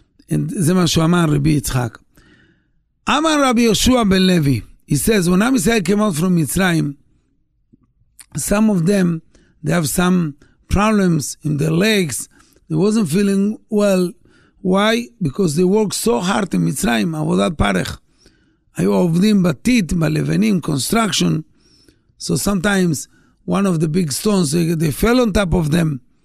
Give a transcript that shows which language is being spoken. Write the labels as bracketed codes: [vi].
[he] And זה מה שהוא אמר רבי יצחק. אמר רבי יהושע בן לוי, [en] he says, when Am Yisrael came out from Mitzrayim, some of them, they have some problems in their legs, they wasn't feeling well. Why? Because they worked so hard in Mitzrayim, [he] עבודת פרך. היו עובדים בתית, בלבנים, construction. [en] So sometimes, one of the big stones, they fell on top of them.